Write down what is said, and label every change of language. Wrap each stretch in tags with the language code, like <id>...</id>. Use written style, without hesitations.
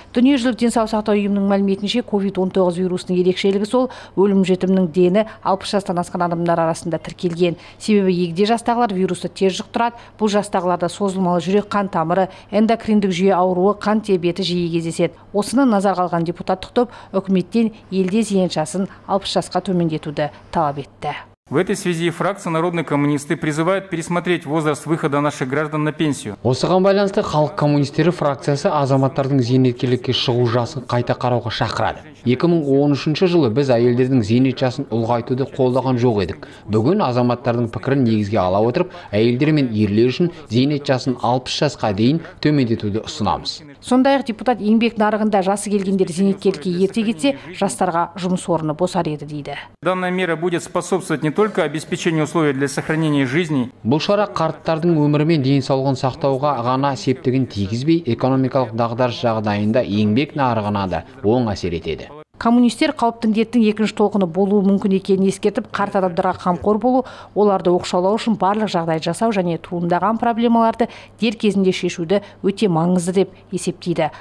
<kk>Дүниежүзілік денсаулық сақтау ұйымының мәліметінше COVID-19 вирусының ерекшелігі сол, өлім жетімнің дені 60 жастан асқан адамдар арасында тіркелген. Себебі егде жастағылар вирусты тез жұқтырады. Бұл жастағыларда созылмалы жүрек қан тамыры, эндокриндік жүйе ауруы, қант диабеті жиі кездеседі. Осыны назарға алған депутаттық топ үкіметтен елде зейнет жасын 60 жасқа төмендетуді талап етті.</kk> <ru>В этой связи фракция «Народные коммунисты» призывает пересмотреть возраст выхода наших граждан на пенсию.</ru> <kk>Осыған байланысты халық коммунистері фракциясы азаматтардың зейнеткерлікке шығу жасын қайта қарауға шақырады. 2013 жылы біз әйелдердің зейнет жасын ұлғайтуды қолдаған жоқ едік. Бүгін азаматтардың пікірін негізге ала отырып, әйелдер мен ерлер үшін зейнет жасын 60 жасқа дейін төмендетуді ұсынамыз. Сондай-ақ депутат еңбек нарығында жасы келгендер зейнеткерлікке ерте кетсе, жастарға жұмыс орны босар еді дейді.</kk> <ru>Данная мера будет способствовать не только обеспечению условий для сохранения жизни.</ru> <kk>Бұл шара қарттардың өмірі мен денсаулығын сақтауға ғана септігін тигізбей, экономикалық дағдарыс жағдайында еңбек нарығына да оң әсер етеді. Коммунистер қауіпті індеттің екінші толқыны болуы мүмкін екенін ескертіп, қарт адамдарға қамқор болу, оларды оқшаулау үшін барлық жағдай жасау және туындаған проблемаларды дер кезінде шешуді өте маңызды деп есептейді.</kk>